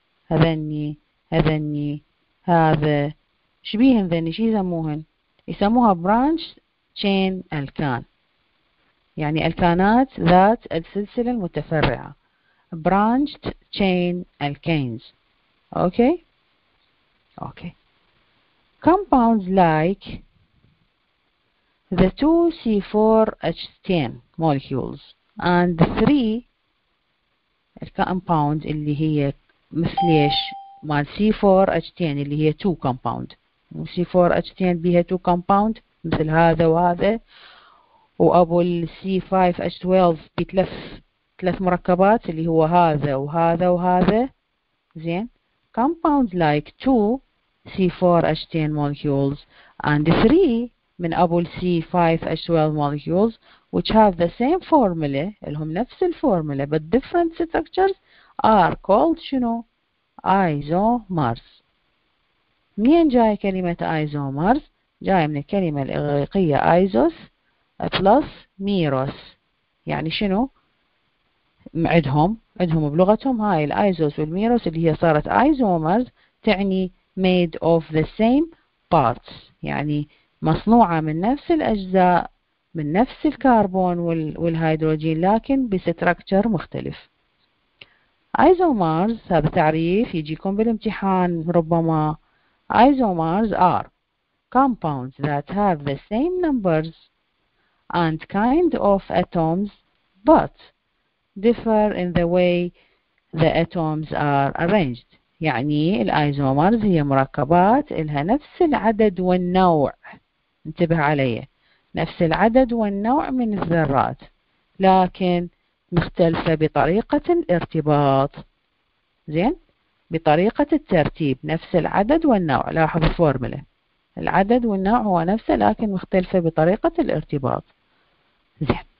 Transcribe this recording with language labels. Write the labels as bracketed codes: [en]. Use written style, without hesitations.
[ar] هذني هذني هذا شبيهن، ذني شي يسموهن، يسموها برانش تشين الكان، يعني الكانات ذات السلسلة المتفرعة، [en] branched chain alkanes. Okay. Okay. Compounds like the 2C4H10 molecules and the 3 compounds [ar] اللي هي مثل ايش؟ مال [en] C4H10 اللي هي 2 compound. [ar] C4H10 بيها 2 compound مثل هذا وهذا، وابو ال C5H12 بيتلف ثلاث مركبات اللي هو هذا وهذا وهذا، زين. [en] Compounds like 2C4H10 molecules and 3 من ابو ال C5H12 molecules which have the same formula، [ar] لهم نفس الفورمولا [en] but different structures are called شنو؟ isomers. [ar] منين جاي كلمة isomers؟ جاي من الكلمة الإغريقية isos بلس ميروس، يعني شنو عندهم؟ عندهم بلغتهم هاي الايزوس والميروس اللي هي صارت ايزومرز، تعني [en] made of the same parts، [ar] يعني مصنوعة من نفس الأجزاء من نفس الكربون والهيدروجين لكن بستركتر مختلف. ايزومرز هذا تعريف يجيكم بالامتحان ربما. [en] Isomers are compounds that have the same numbers and kind of atoms but differ in the way the atoms are arranged. [ar] يعني الايزومرز هي مركبات لها نفس العدد والنوع، انتبه علي، نفس العدد والنوع من الذرات لكن مختلفة بطريقة الارتباط، زين، بطريقة الترتيب، نفس العدد والنوع، لاحظ الفورمولا، العدد والنوع هو نفسه لكن مختلفة بطريقة الارتباط، زين.